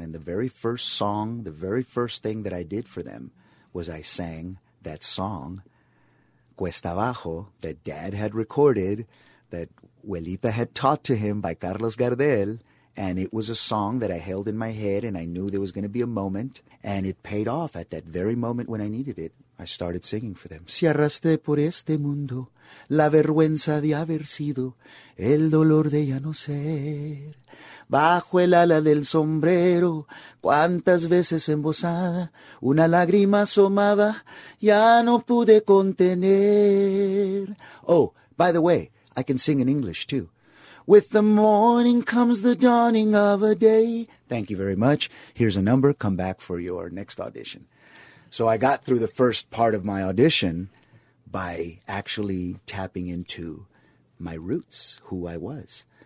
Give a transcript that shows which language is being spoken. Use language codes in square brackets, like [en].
[en] And the very first song, the very first thing that I did for them was I sang that song, Cuesta Abajo, that Dad had recorded, that Huelita had taught to him by Carlos Gardel. And it was a song that I held in my head and I knew there was going to be a moment. And it paid off at that very moment when I needed it. I started singing for them. [es] Si arrastré por este mundo la vergüenza de haber sido el dolor de ya no ser. Bajo el ala del sombrero, cuántas veces embozada una lágrima asomaba, ya no pude contener. [en] Oh, by the way, I can sing in English too. With the morning comes the dawning of a day. Thank you very much. Here's a number. Come back for your next audition. So I got through the first part of my audition by actually tapping into my roots, who I was.